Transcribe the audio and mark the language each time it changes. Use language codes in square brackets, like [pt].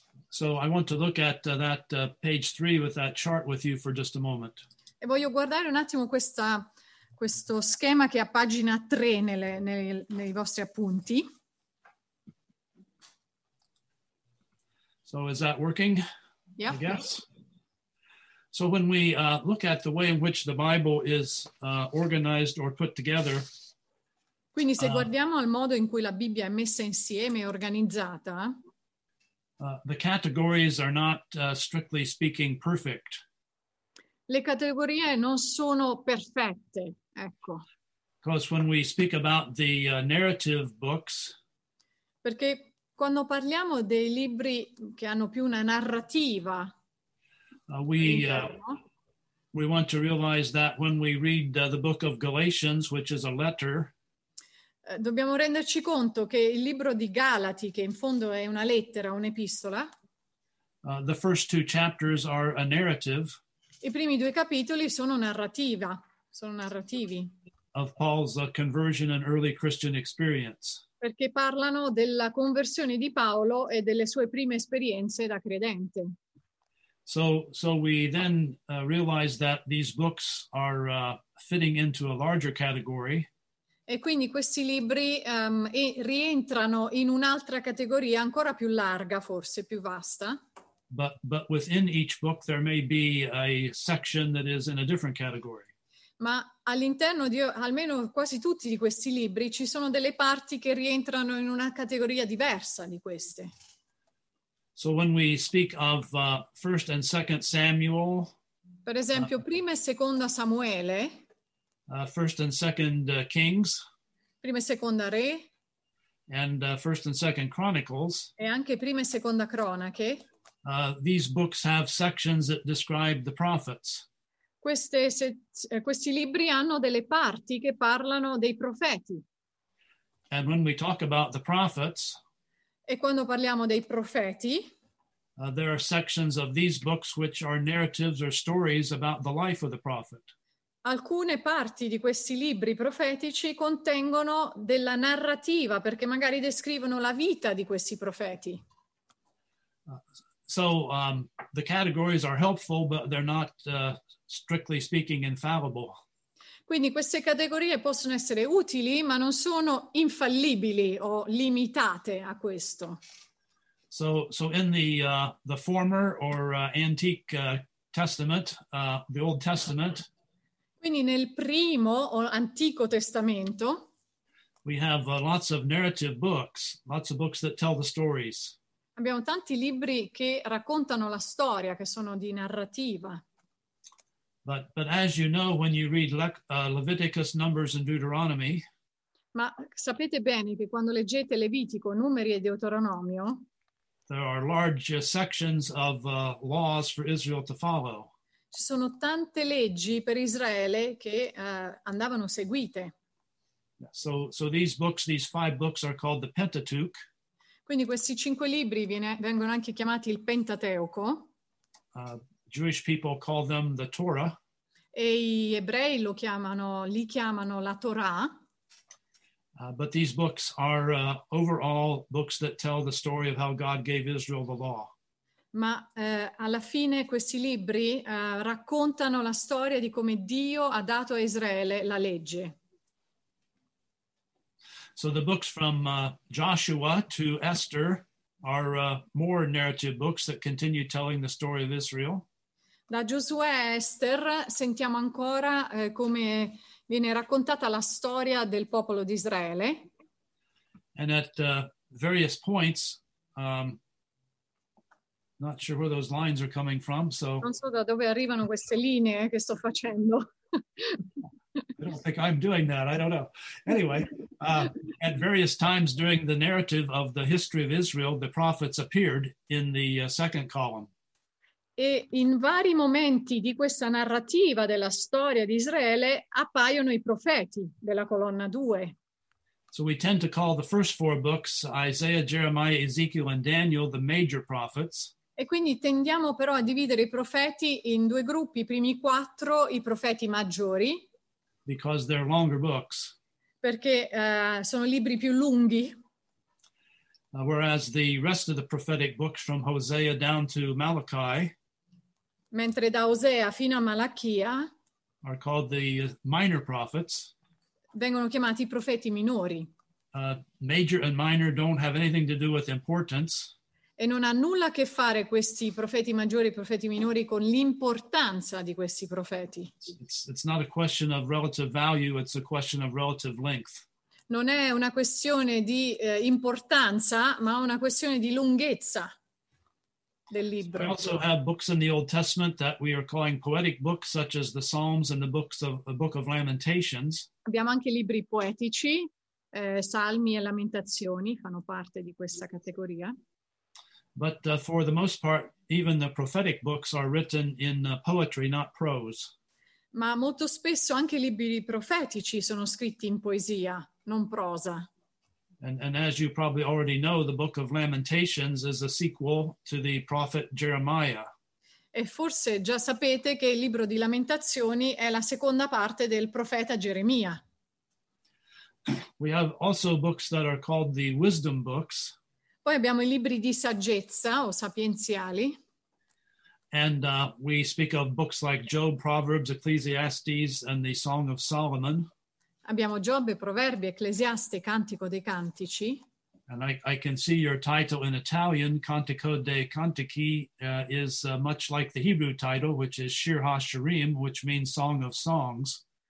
[en] So I want to look at that page 3 with that chart with you for just a moment. [it] E voglio guardare un attimo questo schema che è a pagina 3 nei vostri appunti. [en] So is that working? Yeah. I guess. So when we look at the way in which the Bible is organized or put together, [it] Quindi se guardiamo al modo in cui la Bibbia è messa insieme e organizzata, [en] The categories are not strictly speaking perfect. [it] Le categorie non sono perfette, ecco. [en] Because when we speak about the narrative books, [it] perché quando parliamo dei libri che hanno più una narrativa, [en] we want to realize that when we read the book of Galatians, which is a letter, [it] dobbiamo renderci conto che il libro di Galati, che in fondo è una lettera, un'epistola, [en] the first two chapters are a narrative. [it] I primi due capitoli sono narrativa, sono narrativi. [en] Of Paul's conversion and early Christian experience. [it] Perché parlano della conversione di Paolo e delle sue prime esperienze da credente. [en] So we then realize that these books are fitting into a larger category. [it] E quindi questi libri rientrano in un'altra categoria ancora più larga, forse più vasta. [en] But within each book there may be a section that is in a different category. [it] Ma all'interno di almeno quasi tutti di questi libri ci sono delle parti che rientrano in una categoria diversa di queste. [en] So when we speak of first and second Samuel, [it] per esempio prima e seconda Samuele, [en] first and second Kings, [it] prima e seconda Re, [en] and first and second Chronicles, [it] e anche prima e seconda Cronache. [en] These books have sections that describe the prophets. [it] Questi libri hanno delle parti che parlano dei profeti. [en] And when we talk about the prophets, [it] e quando parliamo dei profeti, [en] there are sections of these books which are narratives or stories about the life of the prophet. [it] Alcune parti di questi libri profetici contengono della narrativa, perché magari descrivono la vita di questi profeti. [en] So the categories are helpful, but they're not strictly speaking infallible. [it] Quindi queste categorie possono essere utili, ma non sono infallibili o limitate a questo. [en] So in the former or antique testament, the Old Testament. [it] Quindi nel primo o antico testamento. [en] We have lots of narrative books, lots of books that tell the stories. [it] Abbiamo tanti libri che raccontano la storia, che sono di narrativa. [en] But as you know, when you read Leviticus, Numbers, and Deuteronomy, [it] ma sapete bene che quando leggete Levitico, Numeri e Deuteronomio, [en] there are large sections of laws for Israel to follow. [it] Ci sono tante leggi per Israele che andavano seguite. [en] So these books, these five books, are called the Pentateuch. [it] Quindi questi cinque libri vengono anche chiamati il Pentateuco. [en] Jewish people call them the Torah. [it] E gli ebrei li chiamano la Torah. [en] But these books are overall books that tell the story of how God gave Israel the law. [it] Ma alla fine questi libri raccontano la storia di come Dio ha dato a Israele la legge. [en] So the books from Joshua to Esther are more narrative books that continue telling the story of Israel. [it] Da Giosuè a Esther sentiamo ancora come viene raccontata la storia del popolo di Israele. [en] And at various points, not sure where those lines are coming from, so... [it] Non so da dove arrivano queste linee che sto facendo. [en] I don't think I'm doing that. I don't know. Anyway, at various times during the narrative of the history of Israel, the prophets appeared in the second column. [it] E in vari momenti di questa narrativa della storia di Israele appaiono i profeti della colonna 2. [en] So we tend to call the first four books, Isaiah, Jeremiah, Ezekiel, and Daniel, the major prophets. [it] E quindi tendiamo però a dividere i profeti in due gruppi, i primi quattro, i profeti maggiori. [en] Because they're longer books. [it] Perché sono libri più lunghi. [en] Whereas the rest of the prophetic books from Hosea down to Malachi. [it] Mentre da Osea fino a Malachia. [en] Are called the minor prophets. [it] Vengono chiamati profeti minori. [en] Major and minor don't have anything to do with importance. [it] E non ha nulla a che fare questi profeti maggiori e profeti minori con l'importanza di questi profeti. [en] It's not a question of relative value, it's a question of relative length. [it] non è una questione di importanza, ma una questione di lunghezza del libro. [en] We also have books in the Old Testament that we are calling poetic books, such as the Psalms and the Book of Lamentations. [it] Abbiamo anche libri poetici, Salmi e Lamentazioni fanno parte di questa categoria. [en] But for the most part, even the prophetic books are written in poetry, not prose. [it] Ma molto spesso anche i libri profetici sono scritti in poesia, non prosa. [en] And as you probably already know, the Book of Lamentations is a sequel to the prophet Jeremiah. [it] E forse già sapete che il libro di Lamentazioni è la seconda parte del profeta Geremia. [en] We have also books that are called the wisdom books. [it] Poi abbiamo i libri di saggezza o sapienziali. [en] And we speak of books like Job, Proverbs, Ecclesiastes, and the Song of Solomon. [it] Abbiamo Giobbe, Proverbi, Ecclesiaste, Cantico dei Cantici. [en] And I can see your title in Italian, Cantico dei Cantici, is much like the Hebrew title, which is Shir HaShirim, which means Song of Songs.